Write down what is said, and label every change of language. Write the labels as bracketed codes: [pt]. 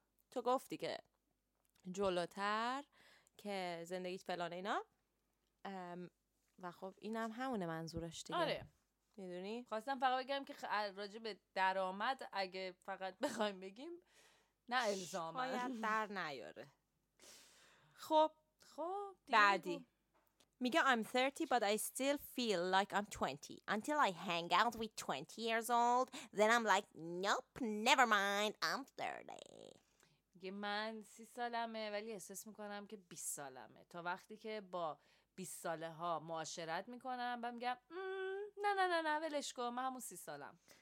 [fa] تو گفتی که جلوتر که زندگیت فلانه اینا و خب اینم همونه منظورش دیگه. آره. میدونی؟ خواستم فقط بگم که راجع به درآمد اگه فقط بخوایم بگیم نه الزامه. شاید در نیاره. خب. خب. بعدی. میگه [en] I'm 30 but I still feel like I'm 20 until I hang out with 20 years old then I'm like nope never mind I'm 30. [fa] میگه من 30 سالمه ولی احساس میکنم که 20 سالمه تا وقتی که با 20 ساله ها معاشرت میکنم و میگم نه نه نه نه ولش کن من همون 30 سالم.